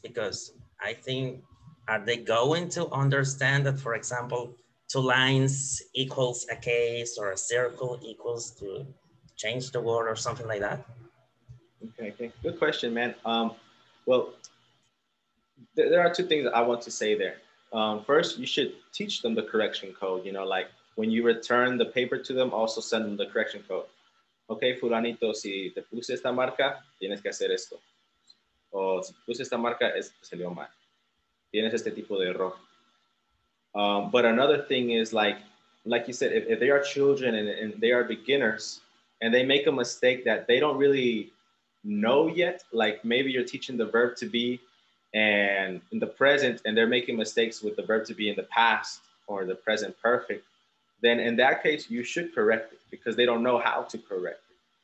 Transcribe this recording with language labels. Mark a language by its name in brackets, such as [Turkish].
[English] Because I think, are they going to understand that, for example, two lines equals a case or a circle equals to change the world or something like that? Okay, good question, man. Well, there are two things I want to say there. First, you should teach them the correction code, you know, like when you return the paper to them, also send them the correction code. [Spanish] Okay, fulanito, si te puse esta marca, tienes que hacer esto. O si puse esta marca, es salió mal. Tienes este tipo de error. [English] But another thing is like you said, if they are children and they are beginners and they make a mistake that they don't really know yet, like maybe you're teaching the verb to be and in the present and they're making mistakes with the verb to be in the past or the present perfect, then in that case, you should correct it because they don't know how to correct it.